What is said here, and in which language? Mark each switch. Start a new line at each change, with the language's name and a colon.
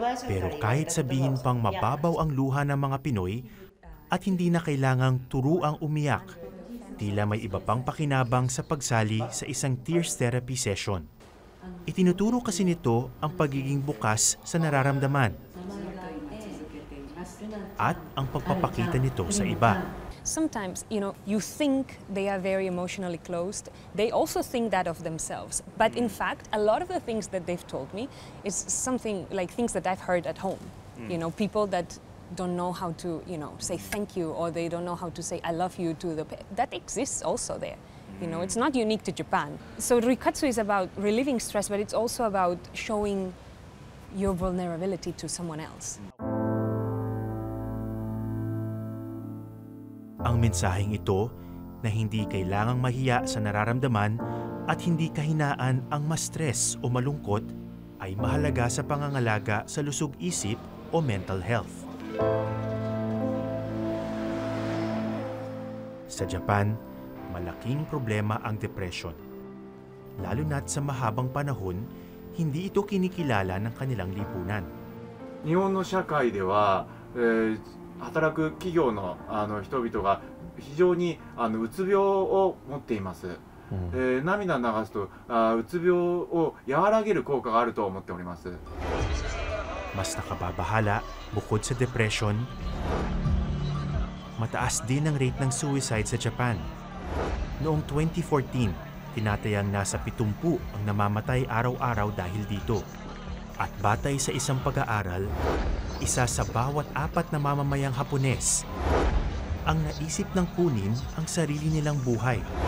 Filipino: Pero kahit sabihin pang mababaw ang luha ng mga Pinoy at hindi na kailangang turuang umiyak, tila may iba pang pakinabang sa pagsali sa isang tears therapy session. Itinuturo kasi nito ang pagiging bukas sa nararamdaman at ang pagpapakita nito sa iba.
English: Sometimes, you know, you think they are very emotionally closed. They also think that of themselves. But in fact, a lot of the things that they've told me is something like things that I've heard at home. You know, people that don't know how to, you know, say thank you, or they don't know how to say I love you to the that exists also there. You know, it's not unique to Japan. So Rikatsu is about relieving stress, but it's also about showing your vulnerability to someone else.
Filipino: Ang mensaheng ito na hindi kailangang mahiya sa nararamdaman at hindi kahinaan ang ma-stress o malungkot ay mahalaga sa pangangalaga sa lusog-isip o mental health. Sa Japan, malaking problema ang depression. Lalo na't sa mahabang panahon, hindi ito kinikilala ng kanilang lipunan.
Japanese: 日本の社会では働く企業 の, あの人々が非常にあのうつ病を持っています、涙流すとうつ病を和らげる効果があると思っております。
Filipino: mas nakababahala bukod sa depression, mataas din ang rate ng suicide sa Japan. Noong 2014, Tinatayang nasa 70 ang namamatay araw-araw dahil dito. At batay sa isang pag-aaral, isa sa bawat 4 na mamamayang Hapones ang naisip ng kunin ang sarili nilang buhay.